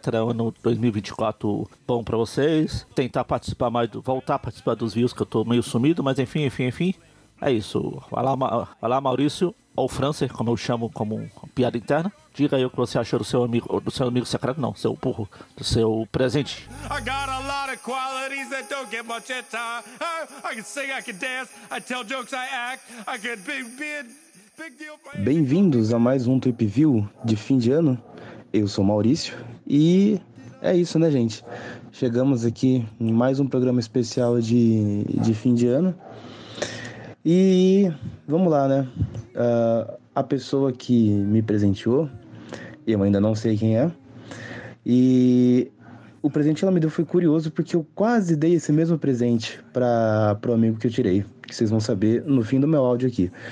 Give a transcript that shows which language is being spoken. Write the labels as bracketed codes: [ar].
[pt] Ano 2024 bom para vocês. Tentar participar mais, voltar a participar dos views, que eu tô meio sumido, mas enfim. É isso, vai lá Maurício, ou Francer, como eu chamo, como piada interna. Diga aí o que você achou do seu amigo secreto, não, seu burro, do seu presente. [en] I got a lot of qualities that don't get much at time. I can sing, I can dance, I tell jokes, I act, I get big deal. [pt] Bem-vindos a mais um Trip View de fim de ano. Eu sou Maurício e é isso, né, gente? Chegamos aqui em mais um programa especial de fim de ano. E vamos lá, né? A pessoa que me presenteou, eu ainda não sei quem é, e o presente que ela me deu foi curioso, porque eu quase dei esse mesmo presente para o amigo que eu tirei, que vocês vão saber no fim do meu áudio aqui.